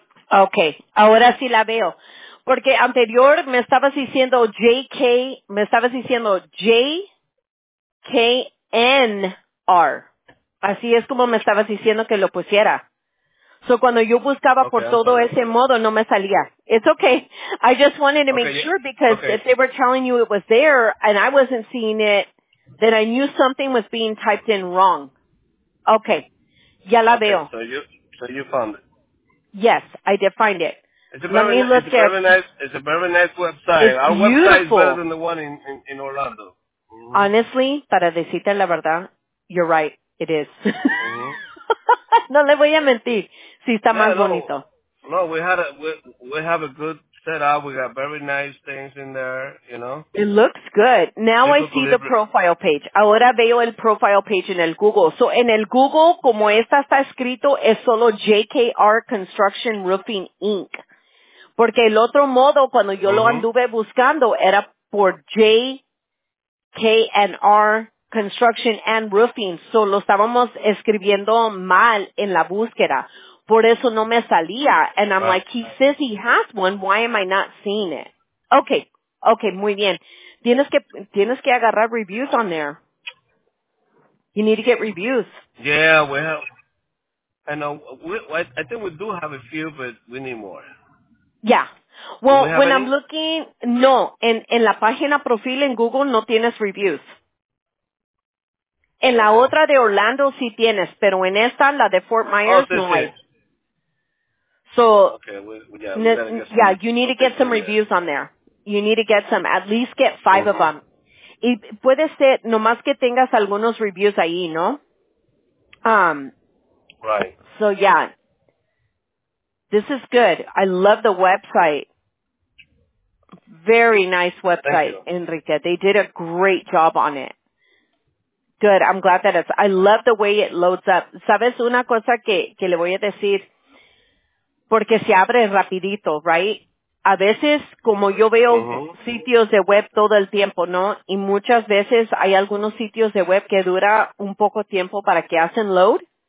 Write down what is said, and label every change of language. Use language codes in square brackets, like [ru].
[es] Okay, ahora sí la veo. Porque anterior me estabas diciendo JKNR. Así es como me estabas diciendo que lo pusiera. So cuando yo buscaba por todo ese modo no me salía. [en] It's okay. I just wanted to make sure because if they were telling you it was there and I wasn't seeing it, then I knew something was being typed in wrong. [es] Okay. Ya la veo. [en] So you found it. Yes, I did find it. It's a very nice website. It's our beautiful. Website is better than the one in Orlando. Mm-hmm. Honestly, para decirte la verdad, you're right. It is. Mm-hmm. [es] No le voy a mentir. Si está más bonito. [en] No, we have a good setup. We got very nice things in there, you know. It looks good. Now I see the profile page. [es] Ahora veo el profile page en el Google. So en el Google, como esta está escrito, es solo JKR Construction Roofing Inc. Porque el otro modo, cuando yo lo anduve buscando, era por JKR Construction and Roofing. So lo estábamos escribiendo mal en la búsqueda. Por eso no me salía. [en] And I'm like, he says he has one. Why am I not seeing it? Okay, muy bien. Tienes que agarrar reviews on there. You need to get reviews. Yeah, I think we do have a few, but we need more. Yeah. Well, I'm looking, no. [es] En la página profil en Google no tienes reviews. En la otra de Orlando sí tienes, pero en esta, la de Fort Myers, no hay. [en] So, you need to get some reviews on there. You need to get some, at least get five of them. [es] Y puede ser, nomás que tengas algunos reviews ahí, ¿no? [en] Right. So, yeah. This is good. I love the website. Very nice website, Enrique. They did a great job on it. Good. I'm glad that it's, I love the way it loads up. [es] ¿Sabes una cosa que le voy a decir? Porque se abre rapidito, right? A veces, como yo veo sitios de web todo el tiempo, ¿no? Y muchas veces hay algunos sitios de web que dura un poco tiempo para que hacen load.